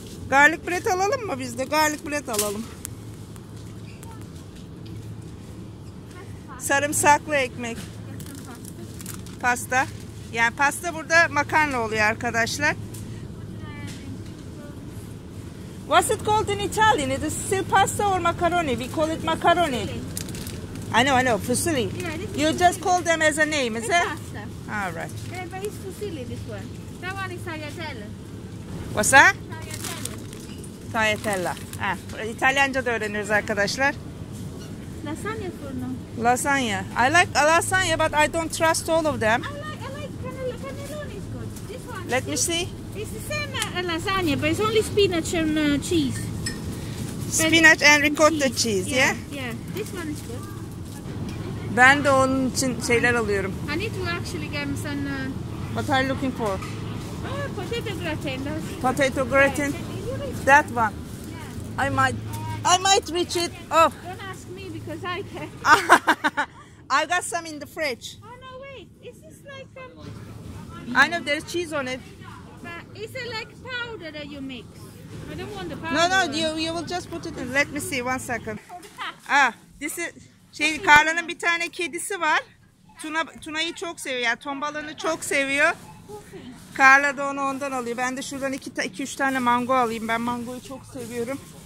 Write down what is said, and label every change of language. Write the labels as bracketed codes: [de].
[tr] Garlic bread alalım mı biz de? Garlic bread alalım. Sarımsaklı ekmek. Pasta. Yani pasta burada makarna oluyor arkadaşlar. [en] What's it called in Italian? It is still pasta or macaroni? We call it macaroni. I know, fusilli. Yeah, you fusilli. Just call them as a name, is it's it? Pasta. All right. But it's fusilli, this one. That one is tagliatelle. What's that? Tagliatelle. Tagliatella. [tr] İtalyanca da öğreniyoruz arkadaşlar. Lasagna fırını. Lasagna. [en] I like a lasagna, but I don't trust all of them. I like cannelloni is good. This one. Let me see. It's the same lasagna, but it's only spinach and cheese. Spinach and ricotta cheese, yeah? Yeah, this one is good. [tr] Ben de onun için şeyler alıyorum. [en] I need to actually get some... What are you looking for? Oh, potato gratin. Potato gratin? Yeah. That one. Yeah. I might reach it. Oh. Don't ask me because I can. I got some in the fridge. Oh, no, wait. Is this like some... I know, there's cheese on it. But is it like powder that you mix? I don't want the powder. No, you will just put it in. Let me see, one second. This is... [tr] Şey, Carla'nın bir tane kedisi var. Tuna'yı çok seviyor. Yani tombalığını çok seviyor. Carla da onu ondan alıyor. Ben de şuradan 2-3 tane mango alayım. Ben mangoyu çok seviyorum.